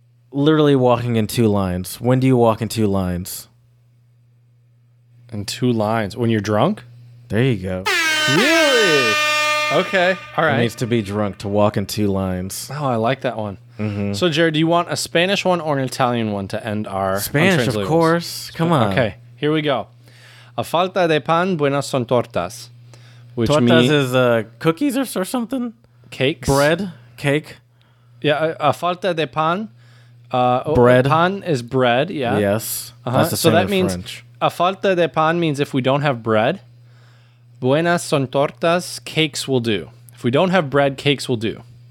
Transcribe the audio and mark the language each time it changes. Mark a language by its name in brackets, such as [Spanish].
[English] Literally walking in two lines. When do you walk in two lines? In two lines. When you're drunk? There you go. Really? Okay. All right. It needs to be drunk to walk in two lines. Oh, I like that one. Mm-hmm. So, Jared, do you want a Spanish one or an Italian one to end our Spanish, of course. Come on. Okay. Here we go. [Spanish] A falta de pan, buenas son tortas. [English] Which tortas means... is cookies or something? Cakes. Bread. Cake. [Spanish] Yeah. A falta de pan. [English] Bread. Pan is bread. Yeah. Yes. Uh-huh. That's the same means French. [Spanish] A falta de pan [English] means if we don't have bread. [Spanish] Buenas son tortas, [English] cakes will do. If we don't have bread, cakes will do.